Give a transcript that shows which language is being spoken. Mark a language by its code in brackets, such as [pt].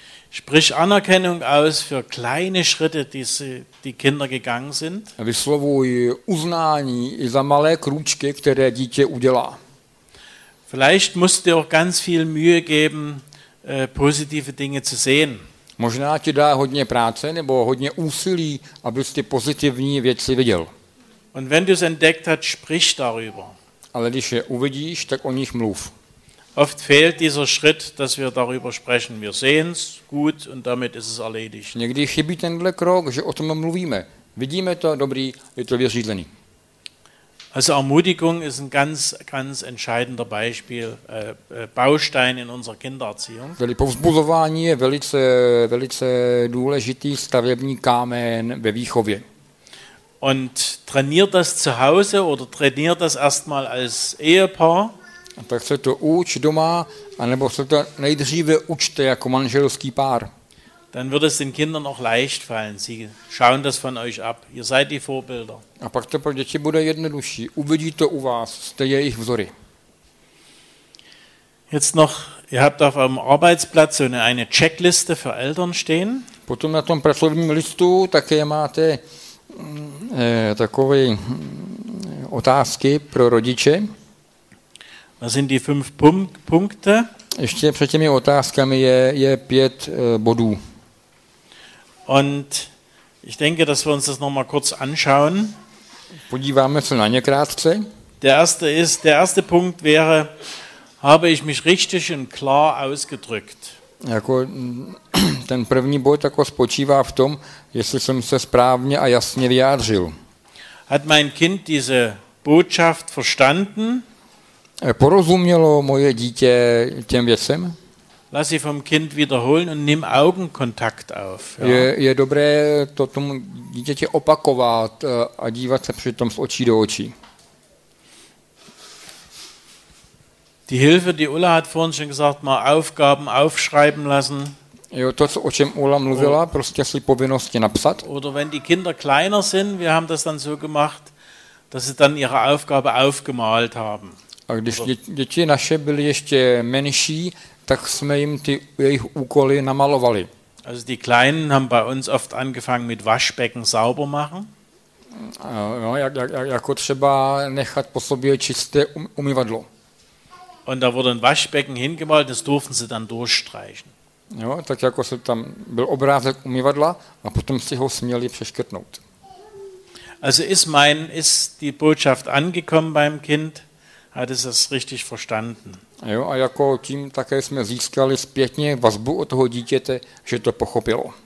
[de] Sprich Anerkennung aus für kleine Schritte, die die Kinder gegangen sind. [cs] Vyslovuj uznání i za malé krůčky, které dítě udělá. [de] Vielleicht musst du auch ganz viel Mühe geben, positive Dinge zu sehen. [cs] Možná ti dá hodně práce nebo hodně úsilí, abys ty pozitivní věci viděl. [de] Und wenn du es entdeckt hast, sprich darüber. [cs] Ale když je uvidíš, tak o nich mluv. [de] Oft fehlt dieser Schritt, dass wir darüber sprechen. Wir sehen es gut und damit ist es erledigt. [cs] Někdy chybí tenhle krok, že o tom mluvíme. Vidíme to, dobrý, je to vyřízený. [de] Also Ermutigung ist ein ganz, ganz entscheidender Beispiel, Baustein in unserer Kindererziehung. [cs] Tedy povzbuzování je velice, velice důležitý stavební kámen ve výchově. [de] Und trainiert das zu Hause oder trainiert das erstmal als Ehepaar? [cs] Tak se to uč doma, anebo se to nejdříve učte jako manželský pár. [de] Dann wird es den Kindern auch leicht fallen. Sie schauen das von euch ab. Ihr seid die Vorbilder. [cs] A pak to pro děti bude jednodušší. Uvidí to u vás. Jste jejich vzory. [de] Jetzt noch, ihr habt auf eurem Arbeitsplatz so eine Checkliste für Eltern stehen. [cs] Potom na tom pracovním listu také máte takové otázky pro rodiče. [de] Das sind die 5 Punkte. [cs] Ještě před těmi otázkami je 5 bodů. [de] Und ich denke, dass wir uns das noch mal kurz anschauen. [cs] Podíváme se na ně krátce. [de] Der erste Punkt wäre, habe ich mich richtig und klar ausgedrückt. [cs] Jako ten první bod jako spočívá v tom, jestli jsem se správně a jasně vyjádřil. [de] Hat mein Kind diese Botschaft verstanden? [cs] Porozumělo moje dítě těm věcem? [de] Lass sie vom Kind wiederholen und nimm Augenkontakt auf. Ja. [cs] Je dobré to tomu dítěti opakovat a dívat se přitom z očí do očí. [de] Die Hilfe, die Ulla hat vorhin schon gesagt, mal Aufgaben aufschreiben lassen. [cs] Jo, to, o čem Ulla mluvila, prostě si povinnosti napsat. [de] Oder wenn die Kinder kleiner sind, wir haben das dann so gemacht, dass sie dann ihre Aufgabe aufgemalt haben. [cs] A když děti naše byly ještě menší, tak jsme jim ty jejich úkoly namalovali. [de] Also die Kleinen haben bei uns oft angefangen mit Waschbecken sauber machen. [cs] No, jako třeba nechat po sobě čisté umyvadlo. [de] Und da wurde ein Waschbecken hingemalt, das durften sie dann durchstreichen. [cs] Jo, tak jako se tam byl obrázek umyvadla a potom si ho směli přeškrtnout. [de] Also ist die Botschaft angekommen beim Kind, hat es das richtig verstanden. [cs] Jo, a jako tím také jsme získali zpětně vazbu od toho dítěte, že to pochopilo.